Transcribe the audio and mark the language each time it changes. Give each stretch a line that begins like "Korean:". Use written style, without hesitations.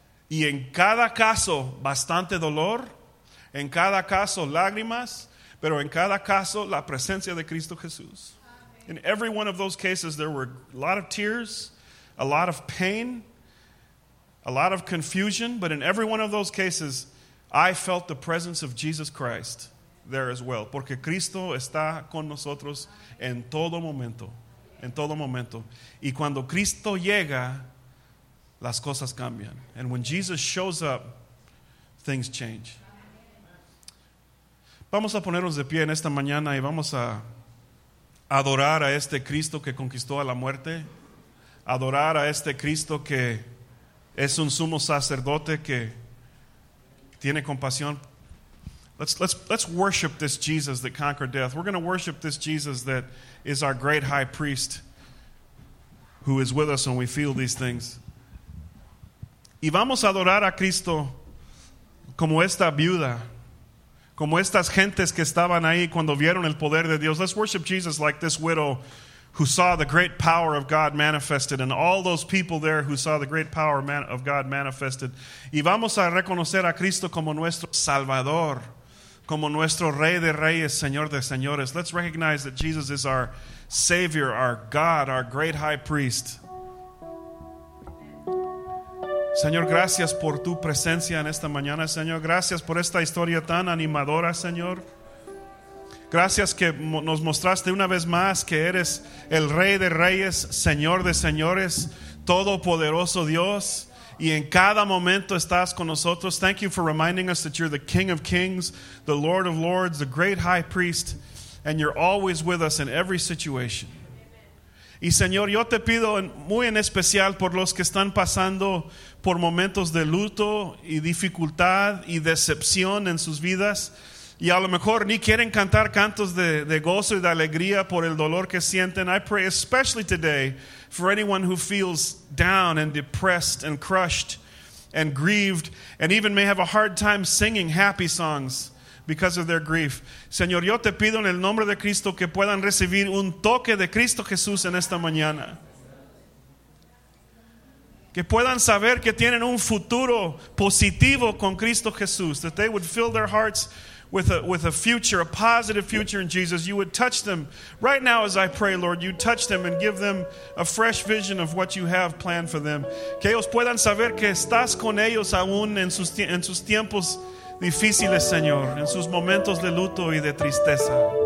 Spanish: Y en cada caso, bastante dolor, en cada caso, lágrimas, pero en cada caso, la presencia de Cristo Jesús.
English: In every one of those cases, there were a lot of tears, a lot of pain, a lot of confusion. But in every one of those cases, I felt the presence of Jesus Christ there as well.
Spanish: Porque Cristo está con nosotros en todo momento, en todo momento. Y cuando Cristo llega, las cosas cambian.
English: And when Jesus shows up, things change.
Spanish: Vamos a ponernos de pie en esta mañana y vamos a adorar a este Cristo que conquistó a la muerte. Adorar a este Cristo que es un sumo sacerdote que tiene compasión.
English: Let's worship this Jesus that conquered death. We're going to worship this Jesus that is our great high priest who is with us when we feel these things.
Spanish: Y vamos a adorar a Cristo como esta viuda. Como estas gentes que estaban ahí cuando vieron el poder de Dios.
English: Let's worship Jesus like this widow who saw the great power of God manifested and all those people there who saw the great power of God manifested.
Spanish: Y vamos a reconocer a Cristo como nuestro Salvador, como nuestro Rey de Reyes, Señor de Señores.
English: Let's recognize that Jesus is our Savior, our God, our great high priest.
Spanish: Señor, gracias por tu presencia en esta mañana, Señor. Gracias por esta historia tan animadora, Señor. Gracias que nos mostraste una vez más que eres el Rey de Reyes, Señor de Señores, Todopoderoso Dios, y en cada momento estás con nosotros.
English: Thank you for reminding us that you're the King of Kings, the Lord of Lords, the Great High Priest, and you're always with us in every situation.
Spanish: Y Señor, yo te pido muy en especial por los que están pasando por momentos de luto y dificultad y decepción en sus vidas. Y a lo mejor ni quieren cantar cantos de gozo y de alegría por el dolor que sienten.
English: I pray especially today for anyone who feels down and depressed and crushed and grieved and even may have a hard time singing happy songs because of their grief.
Spanish: Señor, yo te pido en el nombre de Cristo que puedan recibir un toque de Cristo Jesús en esta mañana. Que puedan saber que tienen un futuro positivo con Cristo Jesús.
English: That they would fill their hearts with a future, a positive future in Jesus. You would touch them right now as I pray, Lord. You touch them and give them a fresh vision of what you have planned for them.
Spanish: Que ellos puedan saber que estás con ellos aún en sus tiempos difíciles, Señor, en sus momentos de luto y de tristeza.